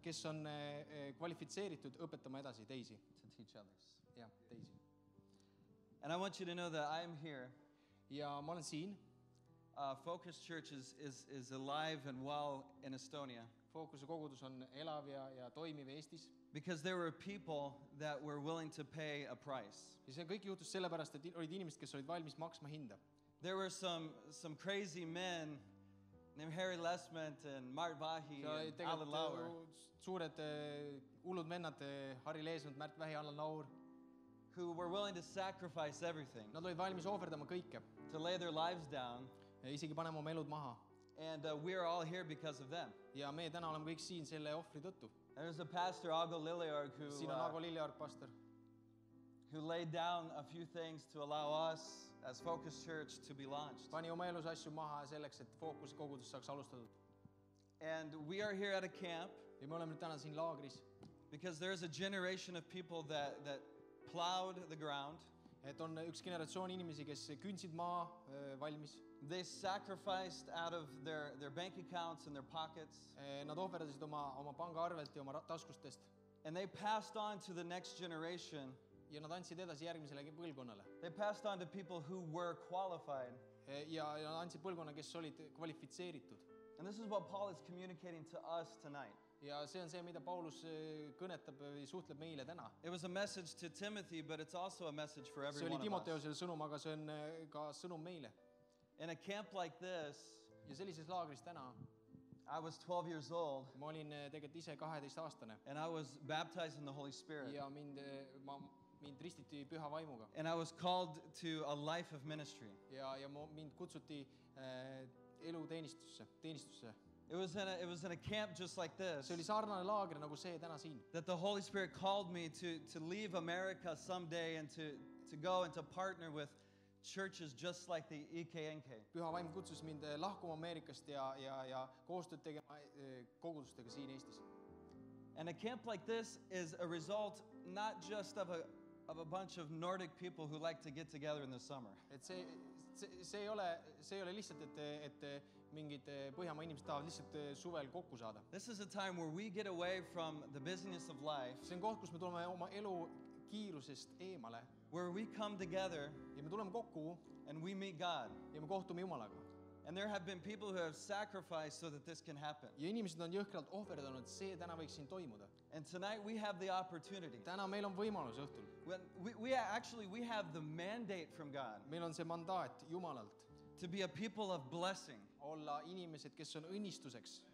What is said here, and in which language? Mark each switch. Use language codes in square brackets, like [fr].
[et] Kes on kvalifitseeritud õpetama edasi teisi. [en] To teach others. [et] Yeah, teisi. [en] And I want you to know that I am here. [et] Ja ma olen siin. [en] Focus Church is alive and well in Estonia. [et] Focuse kogudus on elav ja toimiv Eestis. [en] Because there were people that were willing to pay a price. [et] Ja see kõik juhtus sellepärast, et olid inimesed, kes olid valmis maksma hinda. [en] There were some crazy men. Named Harry Lesment and Mart Vahi and Alan Lauer. [et] Suured ulud vennad, Harry Lesment, Mart Vahi, Alan Lauer. [en] Who were willing to sacrifice everything. [et] Nad olid valmis ohverdama kõike. [en] To lay their lives down. [et] Ja isegi panema oma elud maha. [en] And we are all here because of them. [et] Ja me täna oleme kõik siin selle ohvri tõttu. [en] There's a pastor, Ago Liljorg, who... [et] Siin on Ago Liljorg, pastor. [en] Who laid down a few things to allow us as Focus Church to be launched. [et] Pani oma elus asju maha selleks, et Focus kogudus saaks alustatud. [en] And we are here at a camp. [et] Ja me oleme täna siin laagris. [en] Because there is a generation of people that plowed the ground. [et] Et on üks generatsioon inimesi, kes kündsid maa valmis. [en] They sacrificed out of their bank accounts and their pockets. [et] Nad ohverdasid oma panga arvelt ja oma taskustest. [en] And they passed on to the next generation. [et] ja nad andsid edasi järgmisele põlvkonnale. [en] They passed on to people who were qualified. [et] Ja andsid põlvkonna, kes olid kvalifitseeritud. [en] And this is what Paul is communicating to us tonight. [et] Ja see on see, mida Paulus kõnetab või suhtleb meile täna. [en] It was a message to Timothy, but it's also a message for everyone. [et] See oli Timoteusele sõnum, aga see on ka sõnum meile. [en] In a camp like this, [et] ja sellises laagris täna, [en] I was 12 years old. [et] Ma olin tegelikult ise 12 aastane. [en] And I was baptized in the Holy Spirit. [et] Ja mind ristiti püha vaimuga. [en] And I was called to a life of ministry. [et] Ja mind kutsuti elu teenistusse. [en] It was in a camp just like this. [et] See oli sarnane laager nagu see täna siin. [en] That the Holy Spirit called me to leave America someday and to go and to partner with churches just like the EKNK. [et] Püha vaim kutsus mind lahkuma Ameerikast ja koostööd tegema kogudustega siin Eestis. [en] And a camp like this is a result not just of a bunch of Nordic people who like to get together in the summer. [et] See ei ole lihtsalt et mingid Põhjamaa inimesed tahavad lihtsalt suvel kokku saada. [en] This is a time where we get away from the busyness of life. [et] See on koht, kus me tuleme oma elu kiirusest eemale. [en] Where we come together, [et] ja me tuleme kokku, [en] and we meet God. [et] Ja me kohtume Jumalaga. [en] And there have been people who have sacrificed so that this can happen. [et] Ja inimesed on jõhkralt ohverdanud, et see täna võiks siin toimuda. [en] And tonight we have the opportunity. [et] Täna meil on võimalus õhtul. [en] We have the mandate from God. [et] Meil on see mandaat Jumalalt. [en] To be a people of blessing. [et] Olla inimesed, kes on õnnistuseks.